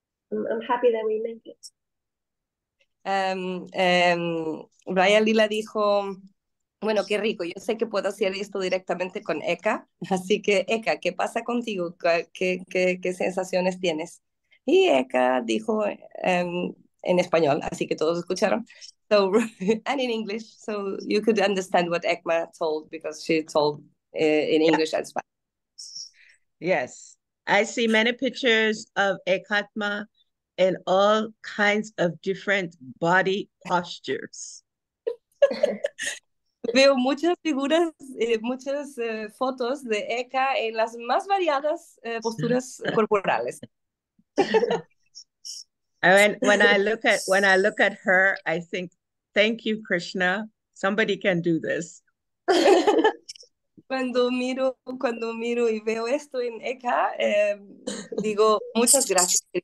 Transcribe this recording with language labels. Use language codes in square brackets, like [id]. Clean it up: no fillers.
[en] I'm happy that we made it. [es] Vrajalila dijo, bueno, qué rico, yo sé que puedo hacer esto directamente con Eka, así que Eka, ¿qué pasa contigo? ¿Qué sensaciones tienes? Y Eka dijo en español, así que todos escucharon. [en] So, and in English, so you could understand what Ekma told, because she told in English as well. Yes, I see many pictures of Ekatma in all kinds of different body postures. [es] Veo muchas figuras, muchas fotos de Eka en las más variadas posturas corporales. [en] And when I look at her, I think, thank you, Krishna. Somebody can do this. [es] Cuando miro y veo esto en Eka, digo, muchas gracias.